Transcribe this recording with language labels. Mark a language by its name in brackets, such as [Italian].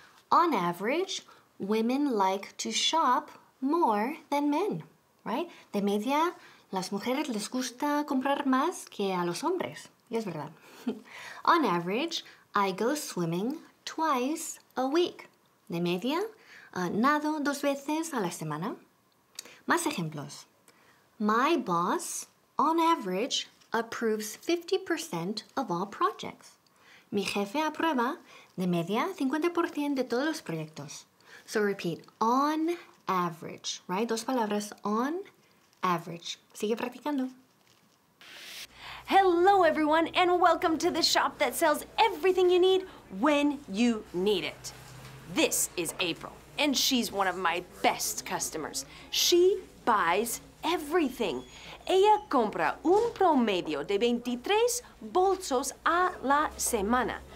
[English] On average, women like to shop more than men, right? [Spanish] De media, las mujeres les gusta comprar más que a los hombres. Y es verdad. [English] On average, I go swimming twice a week. [Spanish] De media, nado dos veces a la semana. Más ejemplos. [English] My boss, on average, approves 50% of all projects. [Spanish] Mi jefe aprueba, de media, 50% de todos los proyectos. [English] So repeat, on average, right? [Spanish] Dos palabras, [English] on average. [Spanish] Sigue practicando. [English] Hello, everyone, and welcome to the shop that sells everything you need when you need it. This is April, and she's one of my best customers. She buys everything. [Spanish] Ella compra un promedio de 23 bolsos a la semana.